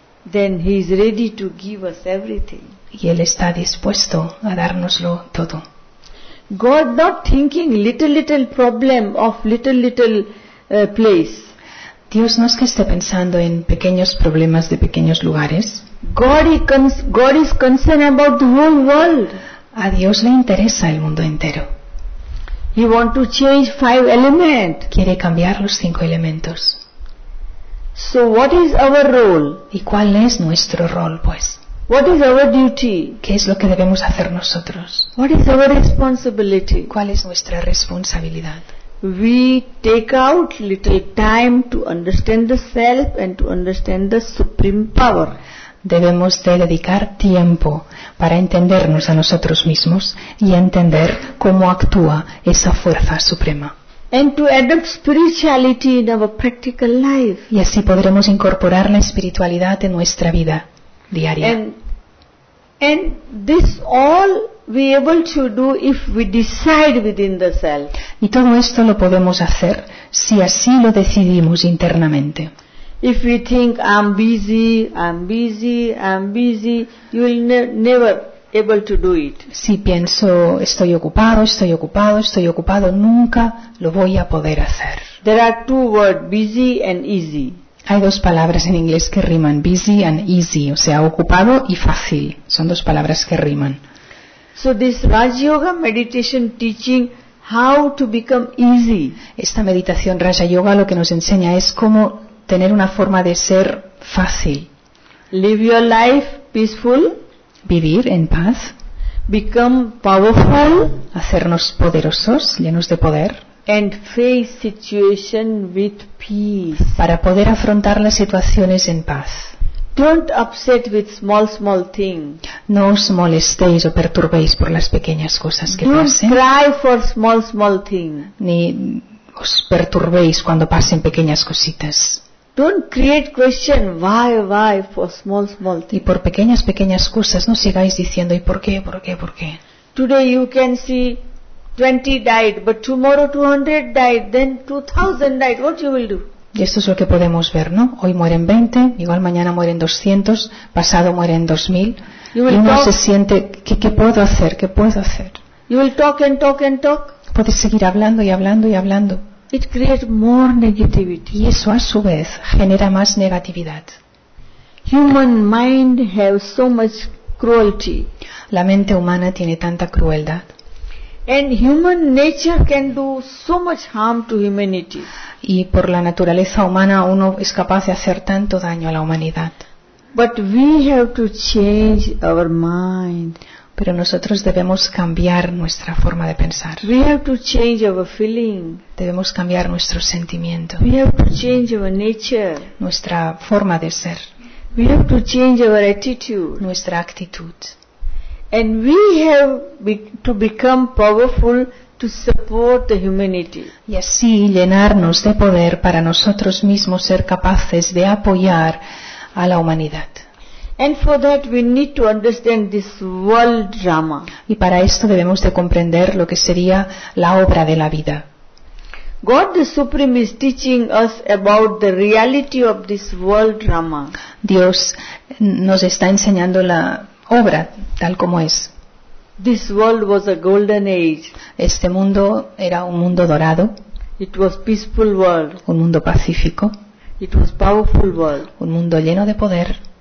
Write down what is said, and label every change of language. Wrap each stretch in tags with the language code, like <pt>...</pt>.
<en>Then he is ready to give us everything.</en> <es>Y él está dispuesto a dárnoslo todo.</es> <en>God not thinking little problem of little place.</en> <es>Dios no es que esté pensando en pequeños problemas de pequeños lugares.</es> <en>God is concerned about the whole world.</en> <es>A Dios le interesa el mundo entero.</es> <en>He want to change five elements.</en> <es>Quiere cambiar los cinco elementos.</es> <en>So what is our role?</en> <es>¿Y cuál es nuestro rol, pues?</es> <en>What is our duty?</en> <es>¿Qué es lo que debemos hacer nosotros?</es> <en>What is our responsibility?</en> <es>¿Cuál es nuestra responsabilidad?</es> <en>We take out little time to understand the self and to understand the supreme power.</en> <es>Debemos de dedicar tiempo para entendernos a nosotros mismos y entender cómo actúa esa fuerza suprema.</es> <en>And to adopt spirituality in our practical life.</en> <es>Y así podremos incorporar la espiritualidad en nuestra vida diaria.</es> <en>And this all we able to do if we decide within the self.</en> <es>Y todo esto lo podemos hacer si así lo decidimos internamente.</es> <en>If we think I'm busy, you will never able to do it.</en> <es>Si pienso estoy ocupado, nunca lo voy a poder hacer.</es> <en>There are two words, busy and easy.</en> <es>Hay dos palabras en inglés que riman,</es> <en>busy and easy,</en> <es>o sea, ocupado y fácil. Son dos palabras que riman.</es> <en>So this Raja Yoga meditation teaching how to become easy.</en> <es>Esta meditación Raja Yoga lo que nos enseña es cómo tener una forma de ser fácil.</es> <en>Live your life peaceful.</en> <es>Vivir en paz.</es> <en>Become powerful.</en> <es>Hacernos poderosos, llenos de poder.</es> <en>And face situation with peace.</en> <es>Para poder afrontar las situaciones en paz.</es> <en>Don't upset with small things.</en> <es>No os molestéis o perturbéis por las pequeñas cosas que</es> <en>Don't</en> <es>pasen.</es> <en>Cry for small things.</en> <es>Ni os perturbéis cuando pasen pequeñas cositas.</es> <en>Don't create question why for small things.</en> <es>Y por pequeñas cosas no sigáis diciendo ¿y por qué?</es> <en>Today you can see 20 died, but tomorrow 200 died, then 2000 died. What you will do?</en> <es>Y esto es lo que podemos ver, ¿no? Hoy mueren 20, igual mañana mueren 200, pasado mueren 2000.</es> <en>You will</en> <es>y uno</es> <en>talk.</en> <es>Se siente, ¿qué puedo hacer?</es> <en>You will talk.</en> <es>Puedes seguir hablando.</es> <en>It creates more negativity.</en> <es>Y eso a su vez genera más negatividad.</es> <en>Human mind has so much cruelty.</en> <es>La mente humana tiene tanta crueldad.</es> <en>And human nature can do so much harm to humanity.</en> <es>Y por la naturaleza humana uno es capaz de hacer tanto daño a la humanidad.</es> <en>But we have to change our mind.</en> <es>Pero nosotros debemos cambiar nuestra forma de pensar.</es> <en>We have to change our feeling.</en> <es>Debemos cambiar nuestro sentimiento.</es> <en>We have to change our nature.</en> <es>Nuestra forma de ser.</es> <en>We have to change our attitude.</en> <es>Nuestra actitud.</es> <en>And we have to become powerful to support the humanity.</en> <es>Y así llenarnos de poder para nosotros mismos ser capaces de apoyar a la humanidad.</es> <en>And for that we need to understand this world drama.</en> <es>Y para esto debemos de comprender lo que sería la obra de la vida.</es> <en>God the Supreme is teaching us about the reality of this world drama.</en> <es>Dios nos está enseñando la obra tal como es.</es> <en>This world was a golden age.</en> <es>Este mundo era un mundo dorado.</es> <en>It was peaceful world.</en> <es>Un mundo pacífico.</es> <en>It was powerful world.</en> <es>Un mundo lleno de poder.</es>